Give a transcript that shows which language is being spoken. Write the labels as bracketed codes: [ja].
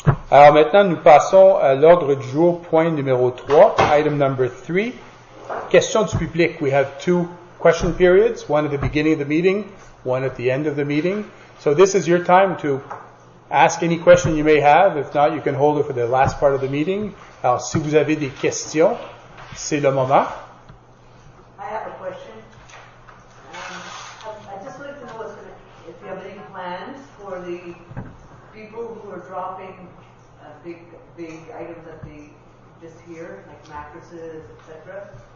[fr] Alors maintenant, nous passons à l'ordre du jour, point numéro 3, [en] item number 3, [fr] Questions du public. [en] We have two question periods, one at the beginning of the meeting, one at the end of the meeting. So this is your time to ask any question you may have. If not, you can hold it for the last part of the meeting. [fr] Alors, si vous avez des questions, c'est le moment. [en] I have a question. I just wanted to know if you have any plans for the people who are dropping big items that they just hear, like mattresses, etc.